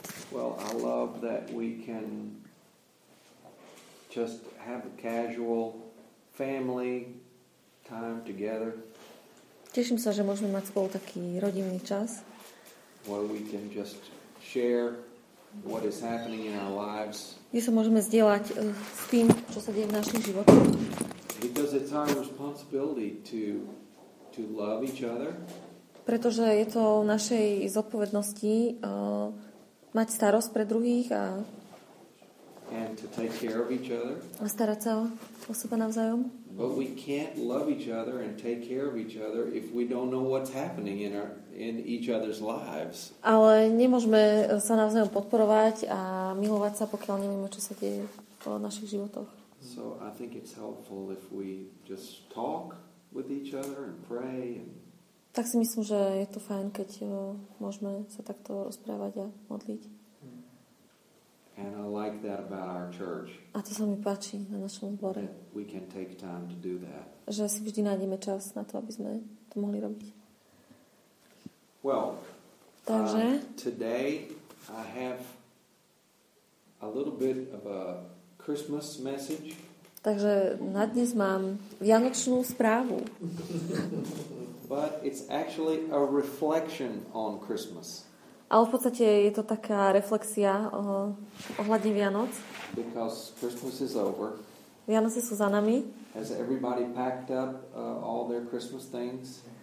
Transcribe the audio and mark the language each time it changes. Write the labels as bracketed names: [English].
[English] Well, I love that we can just have a casual family time together. [Slovak] Teším sa, že môžeme mať spolu taký rodinný čas. [English] Where we can just share what is happening in our lives. [Slovak] Kde sa môžeme zdieľať s tým, čo sa deje v našich životoch. [English] Because it's our responsibility to love each other. [Slovak] Pretože je to našej zodpovednosti mať starosť pre druhých a [English] and to take care of each other. [Slovak] A starať sa o seba navzájom. [English] But we can't love each other and take care of each other if we don't know what's happening in each other's lives. [Slovak] Ale nemôžeme sa navzájom podporovať a milovať sa, pokiaľ nevieme, čo sa deje v našich životoch. [English] So I think it's helpful if we just talk with each other and pray and [Slovak] tak si myslím, že je to fajn, keď môžeme sa takto rozprávať a modliť. [English] And I like that about our church. [Slovak] A to sa mi páči na našom zbore. [English] We can take time to do that. [Slovak] Že si vždy nájdeme čas na to, aby sme to mohli robiť. [English] Well, [Slovak] takže [English] today I have a little bit of a Christmas message. [Slovak] Takže na dnes mám vianočnú správu. [English] But it's actually a reflection on Christmas. [Slovak] Ale v podstate je to taká reflexia ohľadne Vianoc. [English] Because Christmas is over. [Slovak] Vianoce sú za nami. [English] Has everybody packed up all their Christmas things?